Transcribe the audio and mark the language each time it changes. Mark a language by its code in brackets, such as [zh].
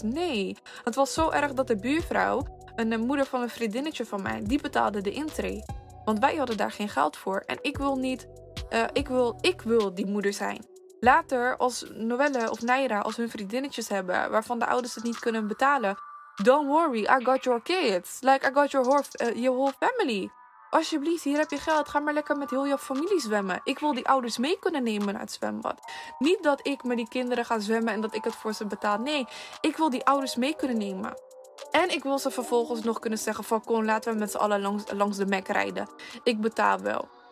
[nl] Nee, het was zo erg dat de buurvrouw, een moeder van een vriendinnetje van mij, die betaalde de intree. Want wij hadden daar geen geld voor. En ik wil niet, ik wil die moeder zijn. Later, als Noelle of Naira, als hun vriendinnetjes hebben, waarvan de ouders het niet kunnen betalen. [en] Don't worry, I got your kids. Like, I got your whole family. [nl] Alsjeblieft, hier heb je geld. Ga maar lekker met heel je familie zwemmen. Ik wil die ouders mee kunnen nemen naar het zwembad. Niet dat ik met die kinderen ga zwemmen en dat ik het voor ze betaal. Nee, ik wil die ouders mee kunnen nemen. En ik wil ze vervolgens nog kunnen zeggen van... Kom, laten we met z'n allen langs de Mac rijden. Ik betaal wel.